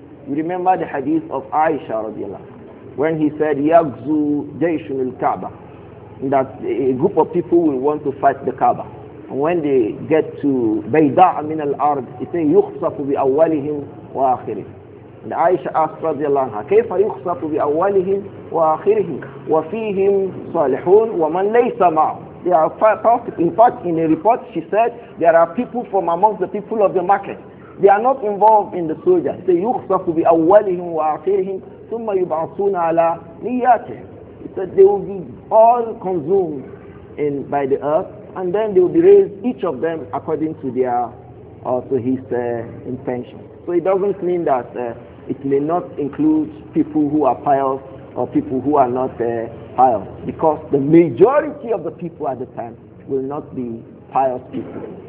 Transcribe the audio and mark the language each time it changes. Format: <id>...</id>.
<en>You remember the hadith of Aisha radiallahu anha, when he said,</en> <ar>Yagzu Jayshun al-Kaaba,</ar> <en>that a group of people will want to fight the Kaaba. And when they get to</en> <ar>Bayda'a min al-Ard,</ar> <en>he said,</en> <ar>Yukhsafu bi awwalihim wa akhirihim.</ar> <en>And Aisha asked radiallahu anha,</en> <ar>كَيْفَ يُخْصَفُ بِأَوَّلِهِمْ وَآخِرِهِمْ وَفِيهِمْ صَالِحُونَ وَمَنْ لَيْسَ مَعُ.</ar> <en>They are fasting. In fact, in a report she said, there are people from amongst the people of the market. They are not involved in the soldiers. They say,</en> <ar>يُخْصَفُ بِأَوَّلِهِمْ وَآخِرِهِمْ ثُمَّ يُبْعَثُونَ عَلَى نِيَّاتِهِمْ.</ar> <en>He said, they will be all consumed in by the earth, and then they will be raised, each of them, according to his intention. So it doesn't mean that it may not include people who are pious or people who are not pious, because the majority of the people at the time will not be pious people.</en>